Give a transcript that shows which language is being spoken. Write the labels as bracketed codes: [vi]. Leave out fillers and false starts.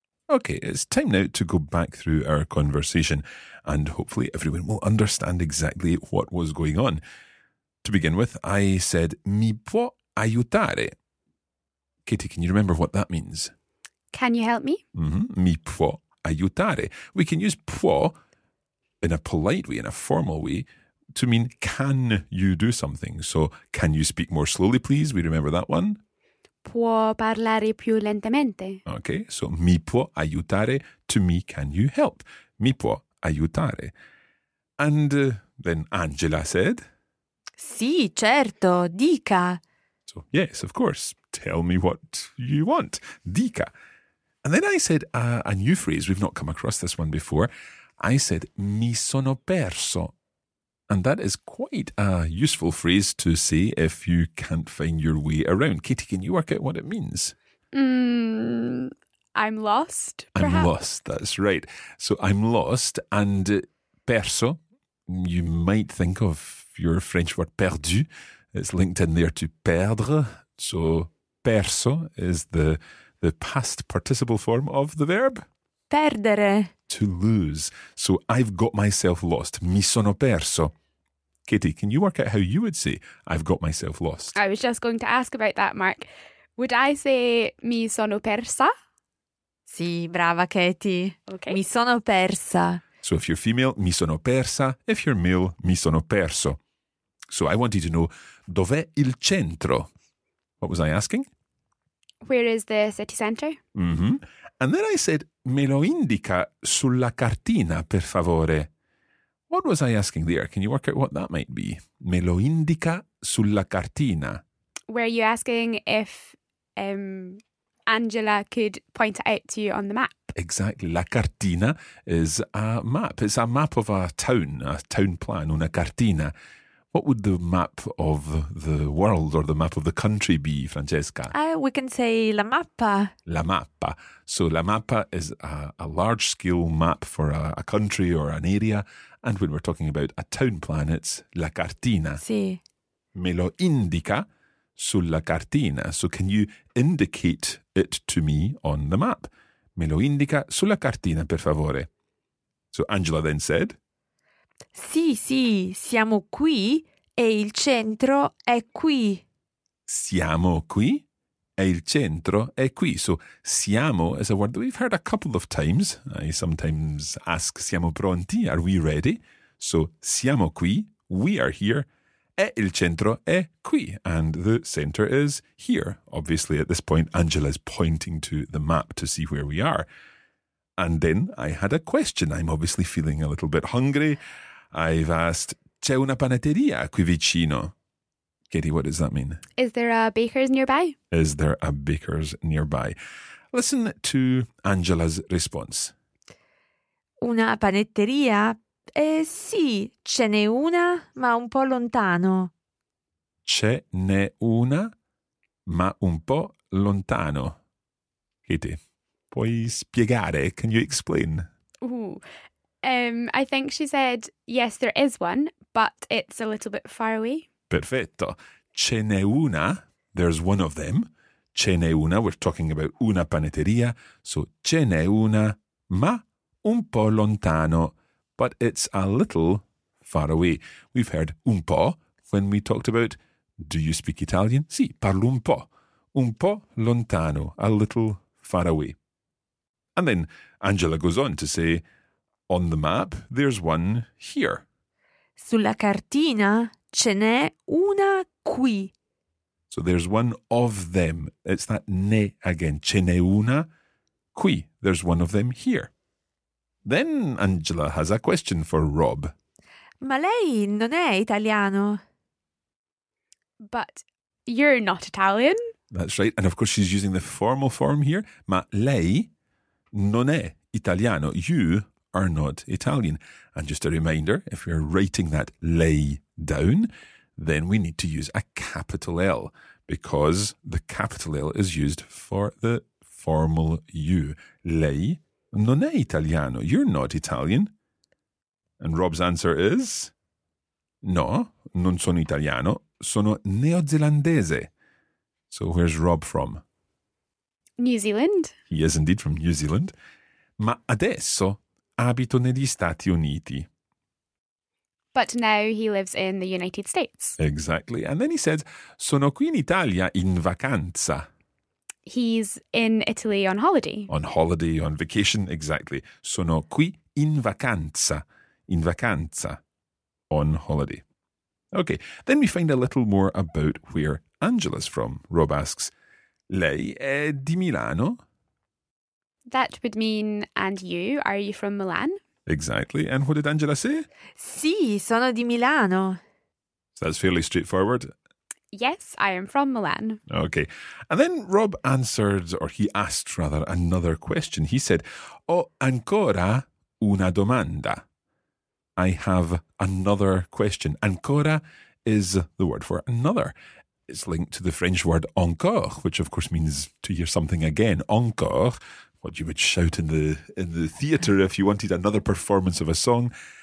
[en] Okay, it's time now to go back through our conversation and hopefully everyone will understand exactly what was going on. To begin with, I said, [it] mi può aiutare? [en] Katie, can you remember what that means? Can you help me? [it] Mm-hmm. Mi può aiutare. [en] We can use può in a polite way, in a formal way, to mean can you do something. So can you speak more slowly, please? We remember that one. [it] Può parlare più lentamente. [en] Okay, so [it] mi può aiutare, [en] to me can you help. [it] Mi può aiutare. [en] And then Angela said? [it] Sì, certo, dica. [en] So yes, of course, tell me what you want, dica. And then I said a new phrase, we've not come across this one before. I said [it] mi sono perso. [en] And that is quite a useful phrase to say if you can't find your way around. Katie, can you work out what it means? I'm lost, perhaps. I'm lost, that's right. So I'm lost and perso. You might think of your French word perdu. It's linked in there to perdre. So perso is the past participle form of the verb. [it] Perdere. [en] To lose. So I've got myself lost. [it] Mi sono perso. [en] Katie, can you work out how you would say, I've got myself lost? I was just going to ask about that, Mark. Would I say, [it] mi sono persa? Sì, brava, Katie. Okay. Mi sono persa. [en] So if you're female, [it] mi sono persa. [en] If you're male, [it] mi sono perso. [en] So I wanted to know, [it] dov'è il centro? [en] What was I asking? Where is the city centre? Mm-hmm. And then I said, [it] me lo indica sulla cartina, per favore. [en] What was I asking there? Can you work out what that might be? [it] Me lo indica sulla cartina. [en] Were you asking if Angela could point it out to you on the map? Exactly. La cartina is a map. It's a map of a town plan, una cartina. What would the map of the world or the map of the country be, Francesca? We can say la mappa. La mappa. So la mappa is a large-scale map for a country or an area. And when we're talking about a town plan, it's la cartina. [it] Sì. Me lo indica sulla cartina. [en] So can you indicate it to me on the map? [it] Me lo indica sulla cartina, per favore. [en] So Angela then said... [it] Sì, sì, siamo qui e il centro è qui. Siamo qui E il centro è qui, [en] so siamo is a word that we've heard a couple of times. I sometimes ask, [it] siamo pronti? [en] Are we ready? [it] So siamo qui, [en] we are here, [it] e il centro è qui. [en] And the center is here. Obviously, at this point, Angela is pointing to the map to see where we are. And then I had a question. I'm obviously feeling a little bit hungry. I've asked, [it] c'è una panetteria qui vicino? [en] Katie, what does that mean? Is there a baker's nearby? Is there a baker's nearby? Listen to Angela's response. [it] Una panetteria? Sì, ce n'è una, ma un po' lontano. Ce n'è una, ma un po' lontano. [en] Katie, [it] puoi spiegare? [en] Can you explain? I think she said, yes, there is one, but it's a little bit far away. [it] Perfetto. Ce n'è una, [en] there's one of them. [it] Ce n'è una, [en] we're talking about una panetteria. [it] So, ce n'è una, ma un po' lontano. [en] But it's a little far away. We've heard un po' when we talked about, do you speak Italian? [it] Sì, parlo un po'. Un po' lontano, [en] a little far away. And then Angela goes on to say, on the map, there's one here. [it] Sulla cartina ce n'è una qui. [en] So there's one of them. It's that ne again. [it] Ce n'è una qui. [en] There's one of them here. Then Angela has a question for Rob. [it] Ma lei non è italiano? [en] But you're not Italian. That's right. And of course she's using the formal form here. [it] Ma lei non è italiano. [en] You are not Italian. And just a reminder, if you're writing that lei down, then we need to use a capital L because the capital L is used for the formal you. [it] Lei non è italiano. [en] You're not Italian. And Rob's answer is, [it] no, non sono italiano. Sono neozelandese. [en] So where's Rob from? New Zealand. He is indeed from New Zealand. [it] Ma adesso abito negli Stati Uniti. [en] But now he lives in the United States. Exactly. And then he says, [it] sono qui in Italia in vacanza. [en] He's in Italy on holiday. On holiday, on vacation, exactly. [it] Sono qui in vacanza. In vacanza. [en] On holiday. Okay, then we find a little more about where Angela's from. Rob asks, [it] lei è di Milano? [en] That would mean, and you, are you from Milan? Exactly. And what did Angela say? [it] Sì, sono di Milano. [en] So that's fairly straightforward. Yes, I am from Milan. Okay. And then Rob answered, or he asked rather, another question. He said, [it] ho ancora una domanda. [en] I have another question. Ancora is the word for another. It's linked to the French word encore, which of course means to hear something again. Encore. What you would shout in the theatre if you wanted another performance of a song.